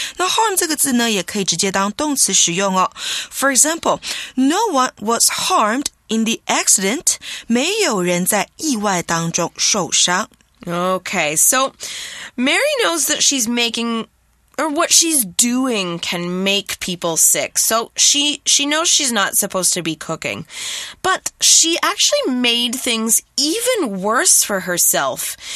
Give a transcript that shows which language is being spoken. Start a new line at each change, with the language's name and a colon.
Chinese: 那 harm 这个字呢也可以直接当动词使用哦。
English: For example, no one was harmed in the accident.
Chinese: 没有人在意外当中受伤。
English: Okay, so Mary knows that she's making... Or what she's doing can make people sick. So she knows she's not supposed to be cooking. But she actually made things even worse for herself.